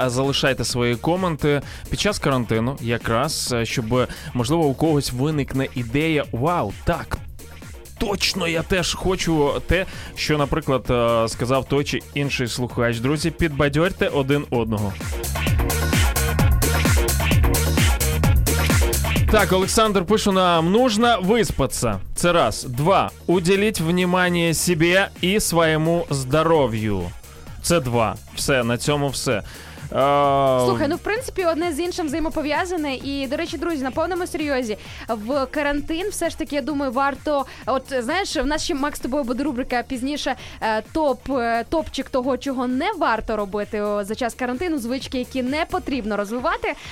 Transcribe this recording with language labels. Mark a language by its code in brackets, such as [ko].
[uk] Залишайте свої коменти під час карантину, якраз, щоб, можливо, у когось виникне ідея: вау, так, точно, я теж хочу те, що, наприклад, сказав той чи інший слухач. Друзі, підбадьорте один одного. Так, Олександр пише нам: [ru] нужно выспаться. [uk] Це раз. Два. [ru] Уделить внимание себе и своему здоровью. [uk] Це два. Все, на цьому все. Слухай, ну в принципі одне з іншим взаємопов'язане. І, до речі, друзі, на повному серйозі, в карантин все ж таки, я думаю, варто, от знаєш, в нас ще, Макс, тобою буде рубрика пізніше, топчик того, чого не варто робити за час карантину, звички, які не потрібно розвивати.